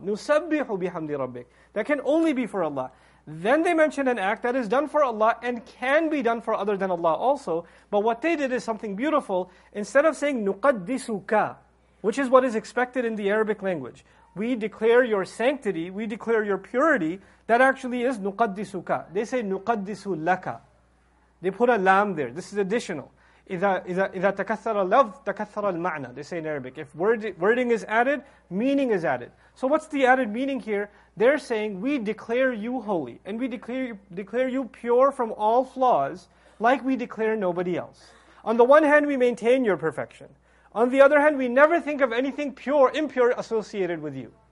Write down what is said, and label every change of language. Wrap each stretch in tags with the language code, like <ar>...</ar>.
<ar>Nusabbihu bihamdi rabbik.</ar> <en>That can only be for Allah. Then they mentioned an act that is done for Allah and can be done for other than Allah also. But what they did is something beautiful. Instead of saying nuqaddisuka, which is what is expected in the Arabic language, we declare your sanctity, we declare your purity, that actually is nuqaddisuka. They say nuqaddisu laka. They put a lam there. This is additional.</en> <ar>إذا تكثر اللف تكثر المعنى.</ar> <en>They say in Arabic. If wording is added, meaning is added. So what's the added meaning here? They're saying, we declare you holy, and we declare you pure from all flaws, like we declare nobody else. On the one hand, we maintain your perfection. On the other hand, we never think of anything pure, impure associated with you.</en>